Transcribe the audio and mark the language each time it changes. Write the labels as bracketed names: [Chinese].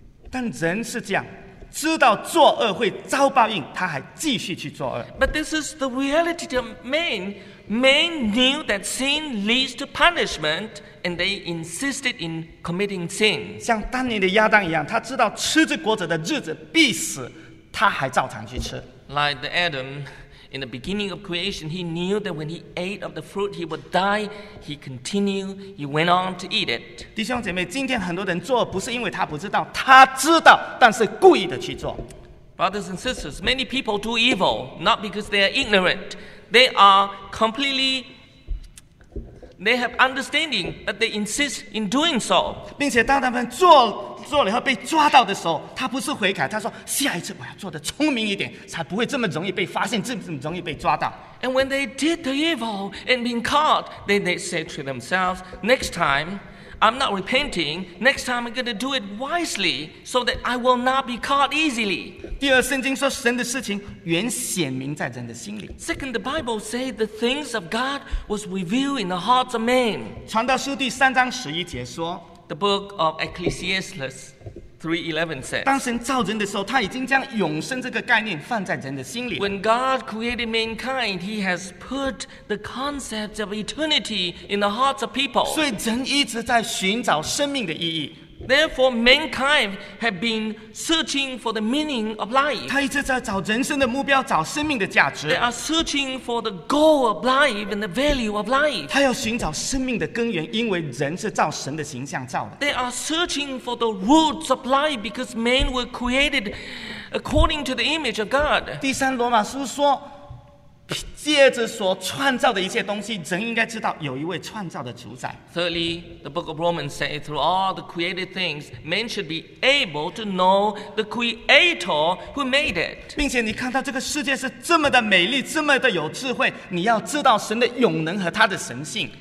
[Chinese] 但人是这样，知道作恶会遭报应，他还继续去作恶。 [English] But this is the reality of man. Man knew that sin leads to punishment, and they insisted in committing sin. [Chinese] 像当年的亚当一样，他知道吃这果子的日子必死，他还照常去吃。 [English] Like the Adam. In the beginning of creation, he knew that when he ate of the fruit, he would die. He continued. He went on to eat it. [Chinese] 弟兄姐妹，今天很多人做不是因为他不知道，他知道，但是故意的去做。 [English] Brothers and sisters, many people do evil not because they are ignorant. They are completely. They have understanding, but they insist in doing so. [Chinese] 并且当他们做了以后被抓到的时候，他不是悔改，他说下一次我要做得聪明一点，才不会这么容易被发现，这么容易被抓到。 [English] And when they did the evil and been caught, then they said to themselves, next time, I'm not repenting. Next time, I'm going to do it wisely, so that I will not be caught easily. [Chinese] 第二，圣经说神的事情原显明在人的心里。 [English] Second, the Bible says the things of God was revealed in the hearts of men. [Chinese] 传道书第三章十一节说。 [English] The book of Ecclesiastes 3:11 says, [Chinese] 当神造人的时候，他已经将永生这个概念放在人的心里。 [English] When God created mankind, He has put the concept of eternity in the hearts of people. [Chinese] 所以人一直在寻找生命的意义。 [English] Therefore, mankind have been searching for the meaning of life. [Chinese] 他一直在找人生的目标，找生命的价值。 [English] They are searching for the goal of life and the value of life. [Chinese] 他要寻找生命的根源，因为人是照神的形象造的。 [English] They are searching for the roots of life because men were created according to the image of God. [Chinese] 第三，罗马书说，借着所创造的一切东西，人应该知道有一位创造的主宰。 [English] Thirdly, the Book of Romans says, through all the created things, men should be able to know the Creator who made it. [Chinese] 并且你看到这个世界是这么的美丽，这么的有智慧，你要知道神的永能和他的神性。